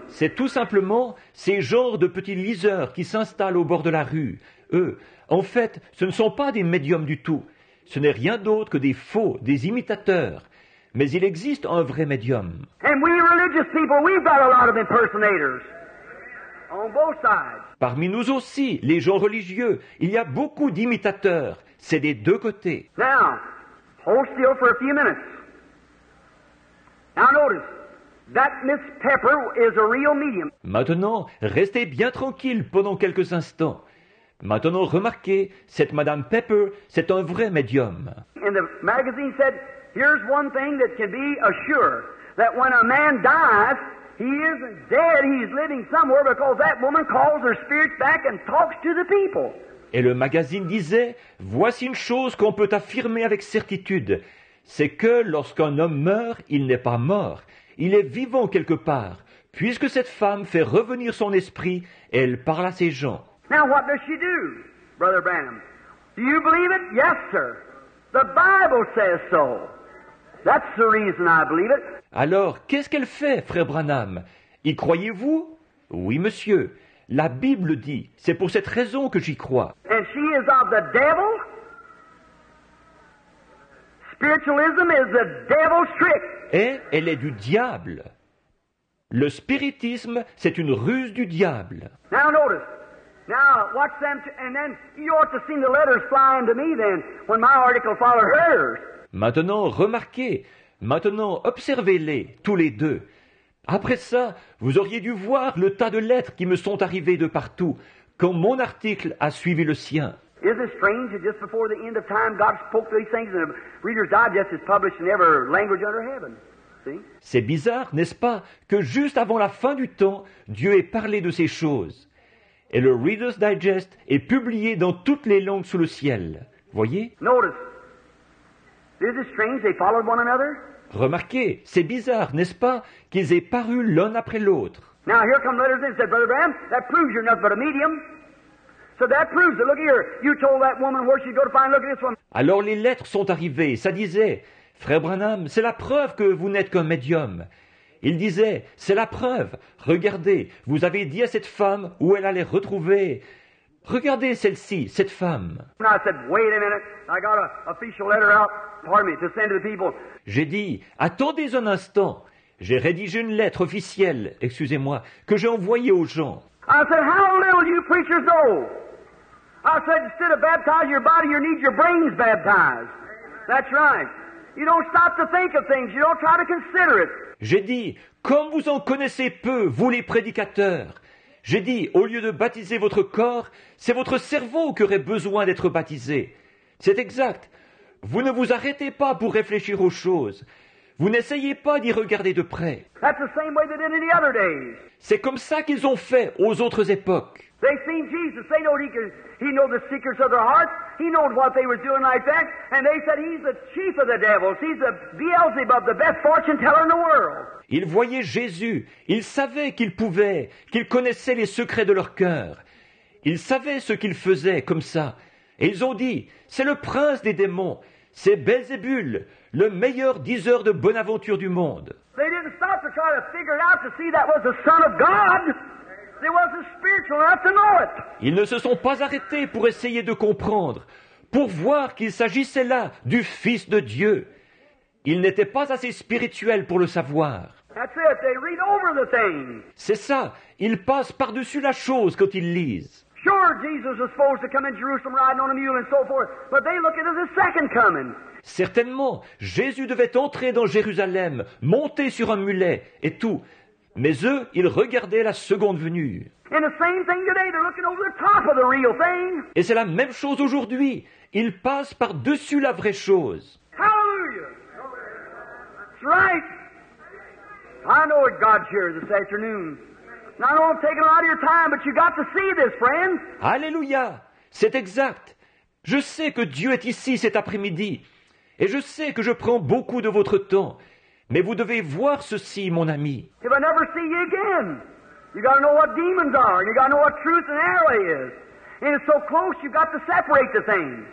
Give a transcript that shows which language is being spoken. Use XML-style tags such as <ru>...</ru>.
<fr>C'est tout simplement ces genres de petits liseurs qui s'installent au bord de la rue. Eux, en fait, ce ne sont pas des médiums du tout. Ce n'est rien d'autre que des faux, des imitateurs. Mais il existe un vrai médium.</fr> <en>And we religious people, we've got a lot of impersonators on both sides.</en> <fr>Parmi nous aussi, les gens religieux, il y a beaucoup d'imitateurs. C'est des deux côtés.</fr> <en>Now, hold still for a few minutes. Now notice, that Miss Pepper is a real medium.</en> <fr>Maintenant, restez bien tranquille pendant quelques instants. Maintenant, remarquez, cette Madame Pepper, c'est un vrai médium.</fr> <en>And the magazine said, here's one thing that can be assured, that when a man dies, he isn't dead, he's living somewhere, because that woman calls her spirit back and talks to the people.</en> <fr>Et le magazine disait, voici une chose qu'on peut affirmer avec certitude, c'est que lorsqu'un homme meurt, il n'est pas mort, il est vivant quelque part, puisque cette femme fait revenir son esprit et elle parle à ses gens.</fr> <en>Now what does she do, Brother Branham? Do you believe it? Yes, sir. The Bible says so. That's the reason I believe it.</en> <fr>Alors, qu'est-ce qu'elle fait, Frère Branham? Y croyez-vous? Oui, monsieur. La Bible dit. C'est pour cette raison que j'y crois.</fr> <en>And she is of the devil? Spiritualism is the devil's trick.</en> <fr>Et elle est du diable. Le spiritisme, c'est une ruse du diable.</fr> <en>Now notice. Now, watch them, and then you ought to see the letters flying to me then, when my article followed hers.</en> <fr>Maintenant, remarquez. Maintenant, observez-les, tous les deux. Après ça, vous auriez dû voir le tas de lettres qui me sont arrivées de partout, quand mon article a suivi le sien.</fr> <en>Isn't it strange that just before the end of time, God spoke these things, and the Reader's Digest is published in every language under heaven?</en> <fr>C'est bizarre, n'est-ce pas, que juste avant la fin du temps, Dieu ait parlé de ces choses. Et le Reader's Digest est publié dans toutes les langues sous le ciel. Voyez?</fr> <en>Notice. This is strange. They followed one another.</en> <fr>Remarquez, c'est bizarre, n'est-ce pas, qu'ils aient paru l'un après l'autre.</fr> <en>Now here come letters and said, Brother Bram, that proves you're nothing but a medium. So that proves it. Look here, you told that woman where she'd go to find. Look at this one.</en> <fr>Alors les lettres sont arrivées. Ça disait, Frère Branham, c'est la preuve que vous n'êtes qu'un médium. Il disait, c'est la preuve. Regardez, vous avez dit à cette femme où elle allait retrouver. Regardez celle-ci, cette femme.</fr> <en>And I said, wait a minute, I got an official letter out. Pardon me, to send to the people.</en> <fr>J'ai dit, attendez un instant. J'ai rédigé une lettre officielle, excusez-moi, que j'ai envoyée aux gens.</fr> <en>I said, how little you preachers know. I said, instead of baptizing your body, you need your brains baptized. That's right. You don't stop to think of things. You don't try to consider it.</en> <fr>J'ai dit, comme vous en connaissez peu, vous les prédicateurs. J'ai dit, au lieu de baptiser votre corps, c'est votre cerveau qui aurait besoin d'être baptisé. C'est exact. Vous ne vous arrêtez pas pour réfléchir aux choses. Vous n'essayez pas d'y regarder de près.</fr> <en>That's the same way they did in the other days.</en> <fr>C'est comme ça qu'ils ont fait aux autres époques.</fr> <en>They seen Jesus. They know he knows the secrets of their hearts. He knows what they were doing like that. And they said he's the chief of the devils. He's the Beelzebub, the best fortune teller in the world.</en> <fr>Ils voyaient Jésus. Ils savaient qu'il pouvait, qu'il connaissait les secrets de leur cœur. Ils savaient ce qu'il faisait comme ça. Et ils ont dit, c'est le prince des démons. C'est Belzébul, le meilleur diseur de bonne aventure du monde.</fr> <en>They didn't stop to try to figure it out to see that was the Son of God. They wasn't spiritual enough to know it.</en> <fr>Ils ne se sont pas arrêtés pour essayer de comprendre, pour voir qu'il s'agissait là du Fils de Dieu. Ils n'étaient pas assez spirituels pour le savoir.</fr> <en>That's it. They read over the thing.</en> <fr>C'est ça. Ils passent par-dessus la chose quand ils lisent.</fr> <en>Sure, Jesus was supposed to come in Jerusalem riding on a mule and so forth, but they look at it as a second coming.</en> <fr>Certainement, Jésus devait entrer dans Jérusalem, monter sur un mulet et tout. Mais eux, ils regardaient la seconde venue.</fr> <en>And the same thing today, they're looking over the top of the real thing.</en> <fr>Et c'est la même chose aujourd'hui. Ils passent par-dessus la vraie chose.</fr> <en>Hallelujah! That's right. I know what God's here this afternoon. Now, I don't take a lot of your time, but you got to see this, friend.</en> <fr>Alléluia! C'est exact. Je sais que Dieu est ici cet après-midi. Et je sais que je prends beaucoup de votre temps. Mais vous devez voir ceci, mon ami.</fr> <en>If I never see you again, you got to know what demons are. You got to know what truth and error is. And it's so close, you got to separate the things.</en>